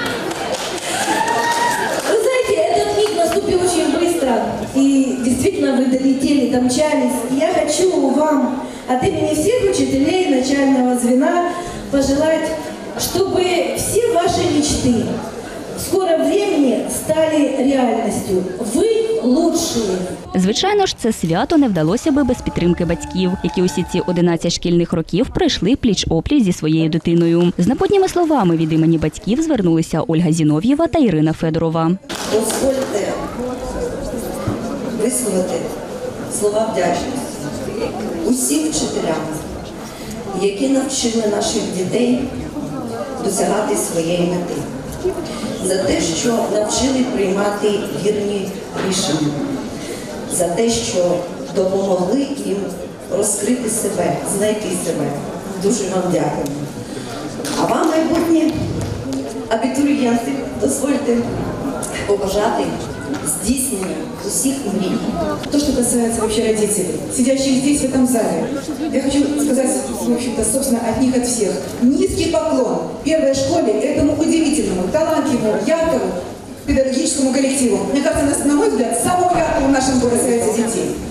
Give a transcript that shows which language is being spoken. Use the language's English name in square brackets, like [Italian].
[Russian] Вы знаете, этот миг наступил очень быстро. И действительно, вы долетели, домчались. Я хочу вам от имени всех учителей начального звена пожелать, чтобы все ваши мечты в скором времени стали реальностью. Вы лучшие. [Ukrainian] Звичайно ж, це свято не вдалося би без підтримки батьків, які усі ці 11 шкільних років прийшли пліч-опліч зі своєю дитиною. З напутніми словами від імені батьків звернулися Ольга Зінов'єва та Ірина Федорова. Дозвольте висловити слова вдячності усім вчителям, які навчили наших дітей досягати своєї мети, за те, що навчили приймати вірні рішення, за те, що допомогли їм розкрити себе, знайти себе. Дуже вам дякую. А вам, майбутні абітурієнти, дозвольте побажати здійснення усіх мрій. То, що стосується [Russian] вообще родителей, сидящих здесь, в этом зале, я хочу сказать, в общем-то, собственно, от них, от всех, низкий поклон первой школе этому удивительному, талантливому, яркому педагогическому коллективу. Мне кажется, на мой взгляд, самого яркого в нашем городе среди детей.